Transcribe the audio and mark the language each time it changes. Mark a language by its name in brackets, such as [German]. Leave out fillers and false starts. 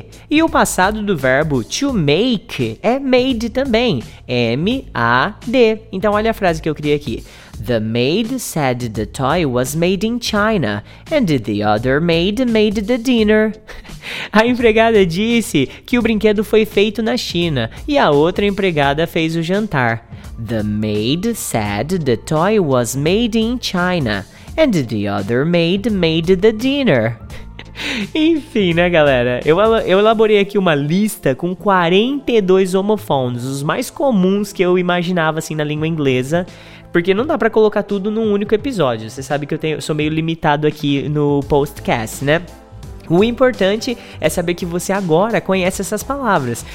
[Portuguese] E o passado do verbo to make é maid também. M-A-D. Então olha a frase que eu criei aqui. [English] The maid said the toy was made in China, and the other maid made the dinner. [Portuguese] A empregada disse que o brinquedo foi feito na China, e a outra empregada fez o jantar. [English] The maid said the toy was made in China, and the other maid made the dinner. [Portuguese] Enfim, né, galera? Eu elaborei aqui uma lista com 42 homofones, os mais comuns que eu imaginava assim na língua inglesa. Porque não dá pra colocar tudo num único episódio. Você sabe que eu sou meio limitado aqui no podcast, né? O importante é saber que você agora conhece essas palavras.